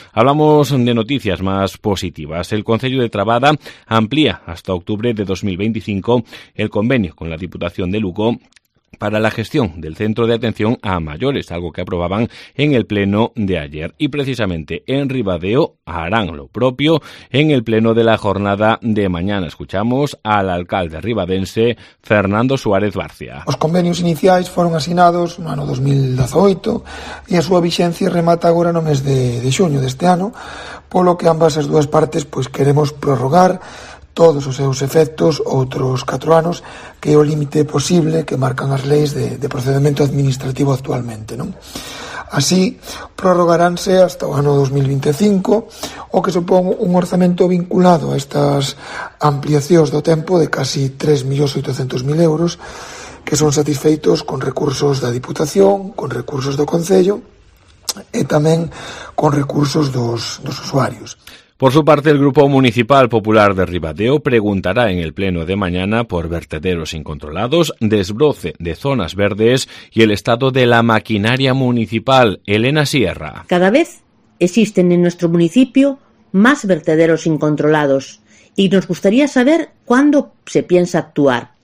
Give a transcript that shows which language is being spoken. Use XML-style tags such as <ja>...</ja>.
<es>Hablamos de noticias más positivas. El Concello de Trabada amplía hasta octubre de 2025 el convenio con la Diputación de Lugo para la gestión del centro de atención a mayores, algo que aprobaban en el pleno de ayer. Y precisamente en Ribadeo harán lo propio en el pleno de la jornada de mañana. Escuchamos al alcalde ribadense Fernando Suárez Barcia.</es> <gl>Los convenios iniciais fueron asignados no ano 2018 e a súa vixencia remata agora no mes de xuño deste ano, polo que ambas as dúas partes pues queremos prorrogar todos os seus efectos outros 4 anos, que é o límite posible que marcan as leis de procedimento administrativo actualmente, non? Así, prorrogaránse hasta o ano 2025, o que supón un orzamento vinculado a estas ampliacións do tempo de casi 3.800.000 euros, que son satisfeitos con recursos da Diputación, con recursos do Concello e tamén con recursos dos usuarios.</gl> <es>Por su parte, el Grupo Municipal Popular de Ribadeo preguntará en el pleno de mañana por vertederos incontrolados, desbroce de zonas verdes y el estado de la maquinaria municipal. Elena Sierra. Cada vez existen en nuestro municipio más vertederos incontrolados y nos gustaría saber cuándo se piensa actuar.</es>